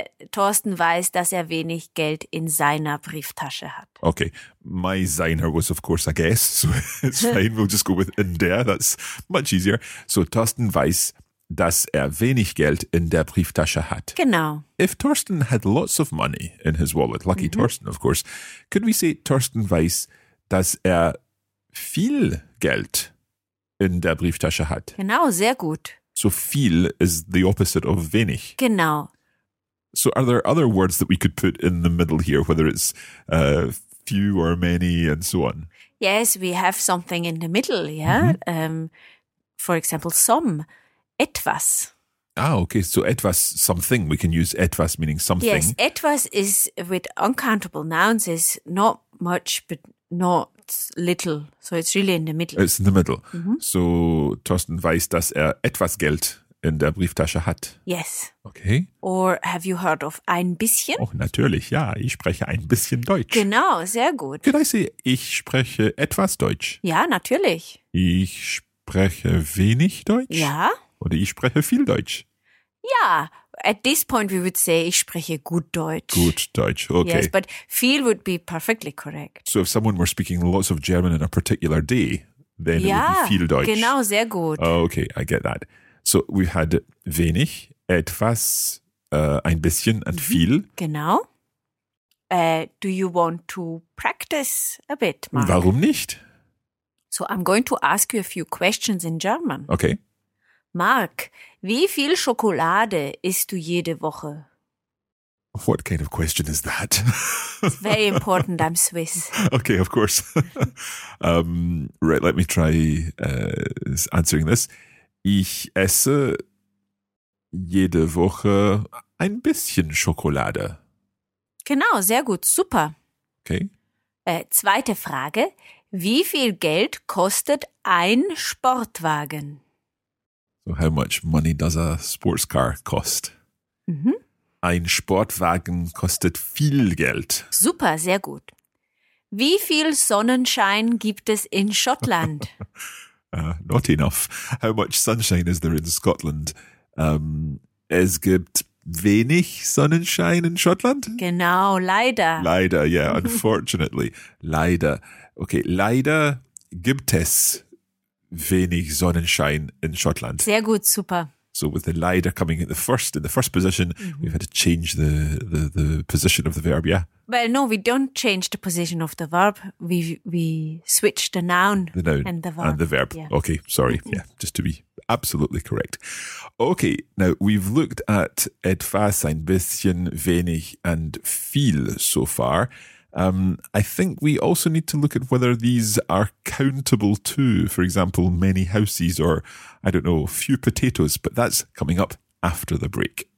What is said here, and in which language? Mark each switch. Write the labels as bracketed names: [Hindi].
[German] Thorsten weiß, dass er wenig Geld in seiner Brieftasche hat. [English] Okay. My seiner was of course a guess, so it's fine. We'll just go with in der. That's much easier. [German] So Thorsten weiß, dass er wenig Geld in der Brieftasche hat. Genau. [English] If Thorsten had lots of money in his wallet, lucky mm-hmm. Thorsten, of course, could we say [German] Thorsten weiß, dass er viel Geld in der Brieftasche hat? Genau, sehr gut. [English] So viel is the opposite of wenig. [German] Genau. [English] So are there other words that we could put in the middle here, whether it's few or many and so on? Yes, we have something in the middle, yeah? Mm-hmm. For example, some, etwas. Ah, okay. So etwas, something. We can use etwas meaning something. Yes, etwas is with uncountable nouns is not much, but not little. So it's really in the middle. It's in the middle. Mm-hmm. [German] So Thorsten weiß, dass er etwas Geld in der Brieftasche hat. [English] Yes. Okay. Or have you heard of ein bisschen? [German] Oh, natürlich, ja. Ich spreche ein bisschen Deutsch. Genau, sehr gut. [English] Could I say, [German] ich spreche etwas Deutsch? Ja, natürlich. Ich spreche wenig Deutsch? Ja. Oder ich spreche viel Deutsch? [English] Ja, at this point we would say, [German] ich spreche gut Deutsch. Gut Deutsch, okay. [English] Yes, but viel would be perfectly correct. So if someone were speaking lots of German in a particular day, then [German] ja, [English] it would be viel Deutsch. [German] Genau, sehr gut. [English] Okay, I get that. So we had wenig, etwas, ein bisschen and viel. [German] Genau. [English] Do you want to practice a bit, Mark? [German] Warum nicht? [English] So I'm going to ask you a few questions in German. Okay. [German] Mark, wie viel Schokolade isst du jede Woche? [English] What kind of question is that? It's very important, I'm Swiss. Okay, of course. Right, let me try answering this. [German] Ich esse jede Woche ein bisschen Schokolade. Genau, sehr gut, super. [English] Okay. [German] Zweite Frage, wie viel Geld kostet ein Sportwagen? [English] How much money does a sports car cost? Mm-hmm. [German] Ein Sportwagen kostet viel Geld. Super, sehr gut. Wie viel Sonnenschein gibt es in Schottland? [English] Not enough. How much sunshine is there in Scotland? [German] Es gibt wenig Sonnenschein in Schottland? Genau, leider. Leider, [English] yeah, unfortunately. [German] Leider. Okay, leider gibt es wenig Sonnenschein in Schottland. Sehr gut, super. [English] So with the leider coming at the first, in the first position, mm-hmm. we've had to change the position of the verb, yeah? Well, no, we don't change the position of the verb. We switch the noun and the verb. And the verb. Yeah. Okay, sorry. Yeah, just to be absolutely correct. Okay, now we've looked at etwas, ein bisschen, wenig and viel so far. I think we also need to look at whether these are countable too. For example, many houses or, I don't know, few potatoes. But that's coming up after the break.